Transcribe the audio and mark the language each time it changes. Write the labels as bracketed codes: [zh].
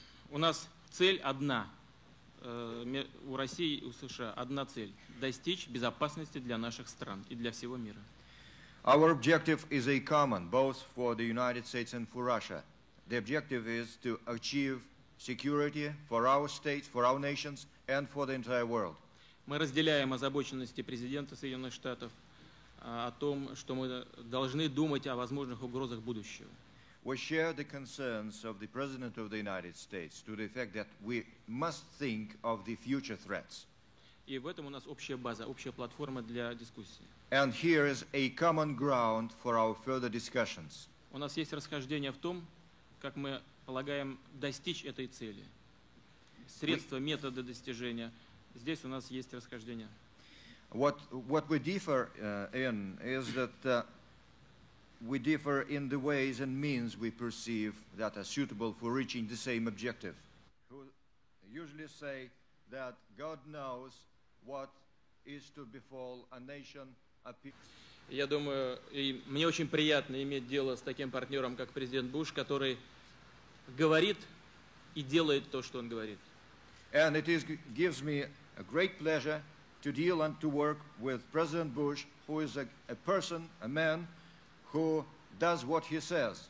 [ru] У нас цель одна, у России, у США одна цель – достичь безопасности для наших стран и для всего мира. [en] Our objective is a common, both for the United States and for Russia. The objective is to achieve security for our states, for our nations, and for the entire world. [ru] Мы разделяем озабоченности президента Соединенных Штатов о том, что мы должны думать о возможных угрозах будущего. [en] We share the concerns of the President of the United States to the effect that we must think of the future threats. [ru] И в этом у нас общая база, общая платформа для дискуссии. [en] And here is a common ground for our further discussions. [ru] У нас есть расхождение в том, как мы полагаем достичь этой цели. Средства, методы достижения. Здесь у нас есть расхождение. [en] What we differ in is that we differ in the ways and means we perceive that are suitable for reaching the same objective. Who usually say that God knows what is to befall a nation, a people. [ru] Я думаю, и мне очень приятно иметь дело с таким партнером, как президент Буш, который говорит и делает то, что он говорит. [en] And it is, gives me a great pleasure to deal and to work with President Bush, who is a person, a man, who does what he says.